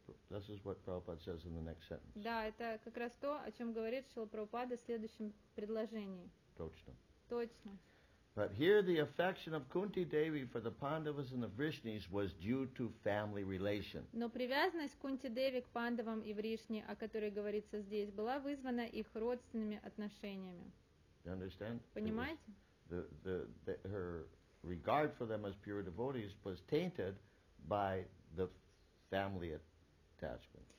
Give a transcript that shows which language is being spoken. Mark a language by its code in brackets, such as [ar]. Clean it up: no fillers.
[en] This is what Prabhupada says in the next sentence. [ru] Да, это как раз то, о чем говорит Шрила Прабхупада в следующем предложении. Точно. Точно. [en] But here the affection of Kunti Devi for the Pandavas and the Vrishnis was due to family relation. [ru] Но привязанность Кунти Деви к Пандавам и Вришне, о которой говорится здесь, была вызвана их родственными отношениями. [en] You understand? [ru] Понимаете? [en] The her regard for them as pure devotees was tainted by the family attachment.